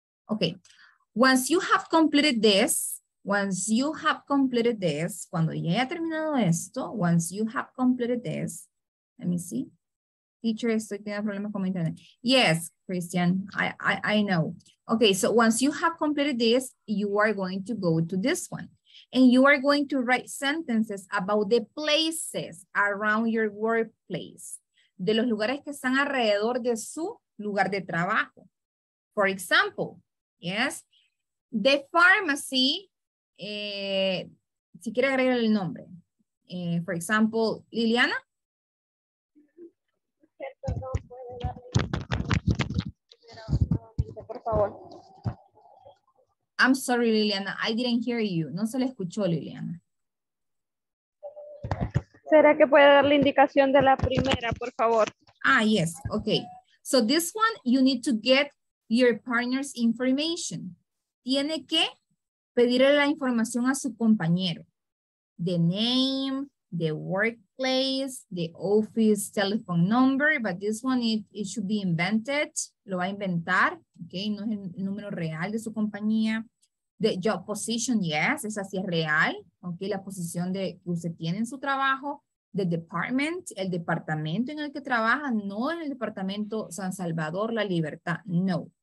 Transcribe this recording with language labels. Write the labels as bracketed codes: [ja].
[en] Okay, once you have completed this, [es] cuando ya haya terminado esto, [en] once you have completed this, let me see. [es] Teacher, estoy teniendo problemas con mi internet. [en] Yes, Christian, I know. Okay, so once you have completed this, you are going to go to this one. And you are going to write sentences about the places around your workplace. [es] De los lugares que están alrededor de su lugar de trabajo. [en] For example, yes, the pharmacy, [es] si quiere agregar el nombre. [en] For example, Liliana. I'm sorry, Liliana. I didn't hear you. [es] No se le escuchó, Liliana. ¿Será que puede dar la indicación de la primera, por favor? [en] Ah, yes. Okay. So this one, you need to get your partner's information. [es] Tiene que pedirle la información a su compañero. [en] The name, the workplace, the office telephone number, but this one, it should be invented. [es] Lo va a inventar, okay? No es el número real de su compañía. [en] The job position, yes, [es] esa sí es real, okay? La posición de que usted tiene en su trabajo. [en] The department, [es] el departamento en el que trabaja, no en el departamento San Salvador, La Libertad, no.